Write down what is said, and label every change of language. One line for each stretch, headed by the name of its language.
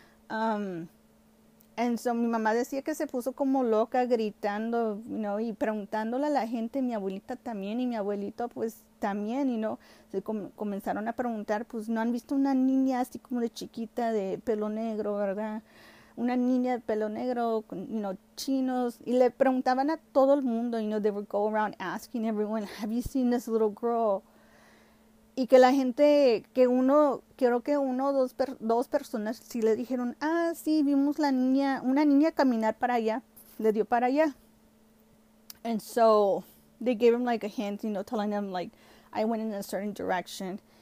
Spanish: And so mi mamá decía que se puso como loca gritando,
English: you know,
Spanish: y preguntándole a la gente, mi abuelita también y mi abuelito pues también, y
English: you no, know,
Spanish: se comenzaron a preguntar, pues no han visto una niña así como de chiquita de pelo negro, ¿verdad? Una niña de pelo negro,
English: you know,
Spanish: chinos, y le preguntaban a todo el mundo,
English: you know, they would go around asking everyone, have you seen this little girl?
Spanish: Y que la gente, que uno, creo que uno o dos personas sí le dijeron, ah, sí, vimos la niña, una niña caminar para allá, le dio para allá.
English: And so, they gave him like a hint, you know, telling them like, I went in a certain direction.